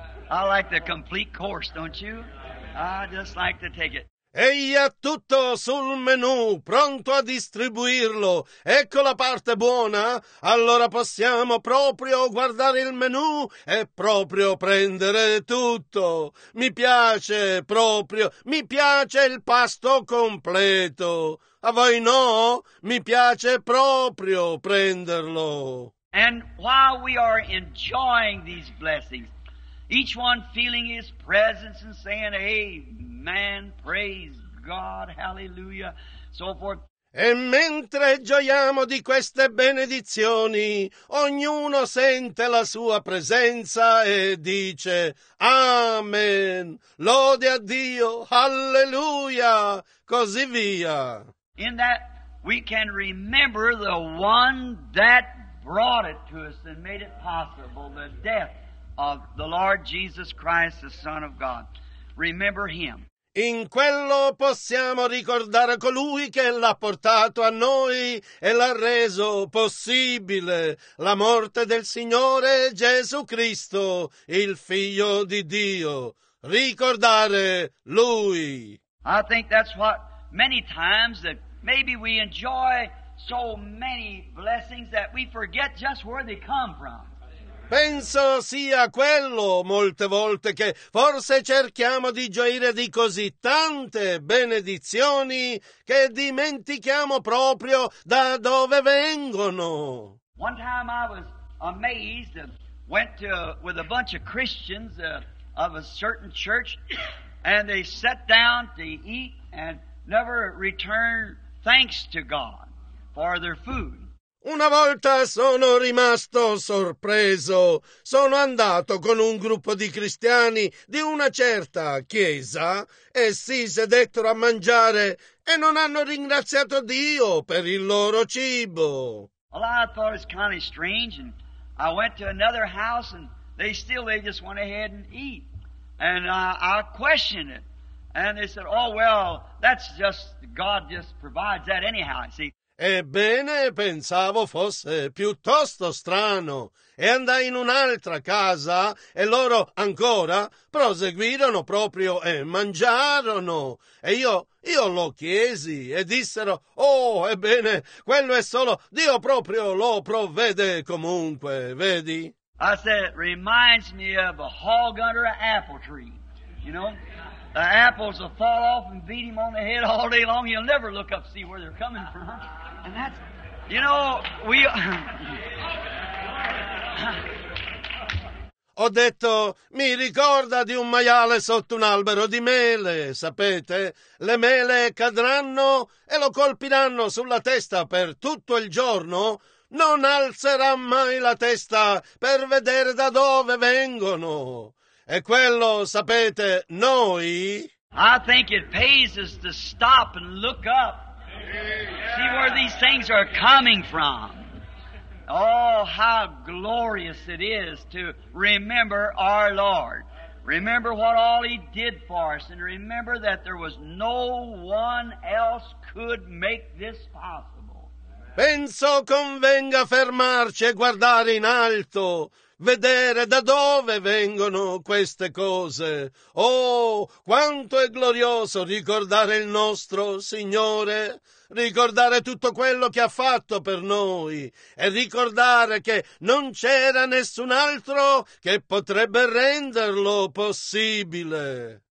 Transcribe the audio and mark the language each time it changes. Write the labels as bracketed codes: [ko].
[en] I like the complete course, don't you? I just like to take it. [it] Egli ha tutto sul menu, pronto a distribuirlo. Ecco la parte buona. Allora possiamo proprio guardare il menu e proprio prendere tutto. Mi piace proprio, mi piace il pasto completo. A voi no, mi piace proprio prenderlo. [en] And while we are enjoying these blessings, each one feeling his presence and saying, amen, praise God, hallelujah, so forth. [it] E mentre gioiamo di queste benedizioni, ognuno sente la sua presenza e dice, amen, lode a Dio, hallelujah, così via. [en] In that we can remember the one that brought it to us and made it possible, the death of the Lord Jesus Christ, the Son of God. Remember him. [it] In quello possiamo ricordare colui che l'ha portato a noi e l'ha reso possibile, la morte del Signore Gesù Cristo, il Figlio di Dio. Ricordare lui. [en] I think that's what many times that maybe we enjoy so many blessings that we forget just where they come from. [it] Penso sia quello molte volte che forse cerchiamo di gioire di così tante benedizioni che dimentichiamo proprio da dove vengono. [en] One time I was amazed and went to with a bunch of Christians of a certain church and they sat down to eat and never returned thanks to God for their food. [it] Una volta sono rimasto sorpreso. Sono andato con un gruppo di cristiani di una certa chiesa. Essi sedettero a mangiare e non hanno ringraziato Dio per il loro cibo. [en] Well, I thought it's kind of strange, and I went to another house, and they just went ahead and eat. And I questioned it, And they said, "Oh well, that's just God just provides that anyhow." See. [it] Ebbene, pensavo fosse piuttosto strano. E andai in un'altra casa e loro ancora proseguirono proprio e mangiarono. E io lo chiesi e dissero, oh, ebbene, quello è solo Dio proprio lo provvede comunque, vedi? [en] I said, reminds me of a hog under an apple tree, you know? The apples will fall off and beat him on the head all day long. He'll never look up to see where they're coming from. And that's, you know, we... [it] Ho detto, mi ricorda di un maiale sotto un albero di mele, sapete? Le mele cadranno e lo colpiranno sulla testa per tutto il giorno. Non alzerà mai la testa per vedere da dove vengono. E quello, sapete, noi... [en] I think it pays us to stop and look up. See where these things are coming from. Oh, how glorious it is to remember our Lord. Remember what all He did for us, and remember that there was no one else could make this possible. [it] Penso convenga fermarci e guardare in alto, vedere da dove vengono queste cose. Oh, quanto è glorioso ricordare il nostro Signore. Ricordare tutto quello che ha fatto per noi e ricordare che non c'era nessun altro che potrebbe renderlo possibile.